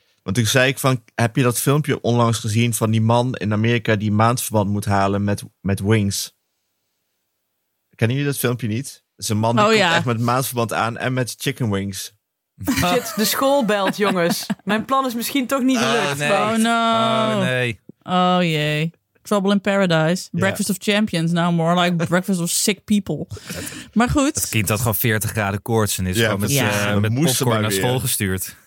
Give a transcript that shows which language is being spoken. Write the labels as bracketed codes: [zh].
[nl] Want toen zei ik van, heb je dat filmpje onlangs gezien van die man in Amerika die maandverband moet halen met Wings? Kennen jullie dat filmpje niet? Het is een man die komt echt met maandverband aan en met chicken wings. Shit, de school belt, jongens. Mijn plan is misschien toch niet gelukt. Oh, nee. Oh, nee. Oh, jee. [en] Trouble in Paradise. Breakfast of Champions. Now more like Breakfast of Sick People. [nl] Maar goed. Het kind had gewoon 40 graden koorts en is met popcorn naar school gestuurd.